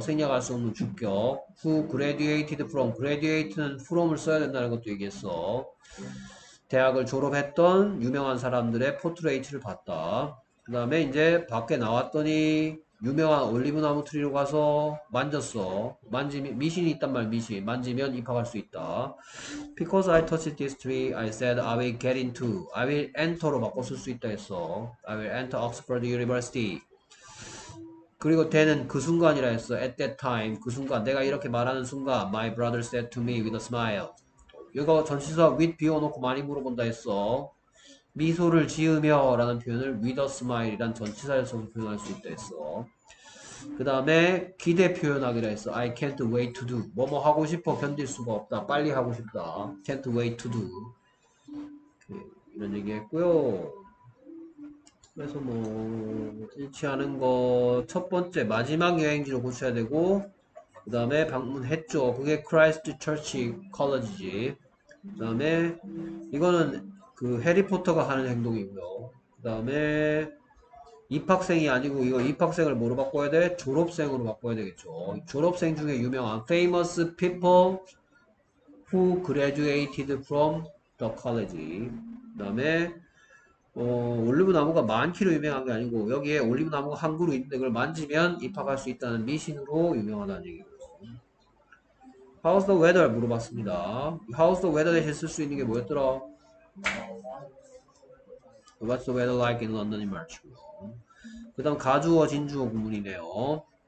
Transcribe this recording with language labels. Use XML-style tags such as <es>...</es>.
<ko>생략할 수 없는 주격.</ko> <en>Who graduated from.</en> <ko>Graduate는 from을 써야 된다는 것도 얘기했어. 대학을 졸업했던 유명한 사람들의 포트레이트를 봤다. 그 다음에 이제 밖에 나왔더니 유명한 올리브 나무 트리로 가서 만졌어. 만지면 미신이 있단 말, 미신. 만지면 입학할 수 있다.</ko> <en>Because I touched this tree, I said I will get into. I will enter로</en> <ko>바꿔 쓸수 있다 했어.</ko> <en>I will enter Oxford University.</en> <ko>그리고 되는 그 순간이라 했어.</ko> <en>At that time,</en> <ko>그 순간. 내가 이렇게 말하는 순간.</ko> <en>My brother said to me with a smile.</en> <ko>이거 전치사 with 비워놓고 많이 물어본다 했어. 미소를 지으며라는 표현을</ko> <en>with a smile</en> <ko>이란 전치사에서도 표현할 수 있다 했어. 그 다음에 기대 표현하기라 했어.</ko> <en>I can't wait to do.</en> <ko>뭐뭐 하고 싶어. 견딜 수가 없다. 빨리 하고 싶다.</ko> <en>Can't wait to do.</en> <ko>이런 얘기 했고요. 그래서 뭐 일치하는 거첫 번째 마지막 여행지로 고쳐야 되고, 그 다음에 방문했죠. 그게 크라이스트 처치 컬러지지. 그 다음에 이거는 그 해리포터가 하는 행동이고요. 그다음에 입학생이 아니고 이거 입학생을 뭐로 바꿔야 돼? 졸업생으로 바꿔야 되겠죠. 졸업생 중에 유명한</ko> <en>famous people who graduated from the college.</en> <ko>그다음에 올리브 나무가 만 키로 유명한 게 아니고 여기에 올리브 나무가 한 그루 있는데 그걸 만지면 입학할 수 있다는 미신으로 유명하다는 얘기.</ko> <en>How's the weather?</en> <ko>물어봤습니다.</ko> <en>How's the weather?</en> <ko>대신 쓸수 있는 게 뭐였더라?</ko> <en>What's the weather like in London in March?</en> <ko>그 다음 가주어 진주어 구문이네요.</ko>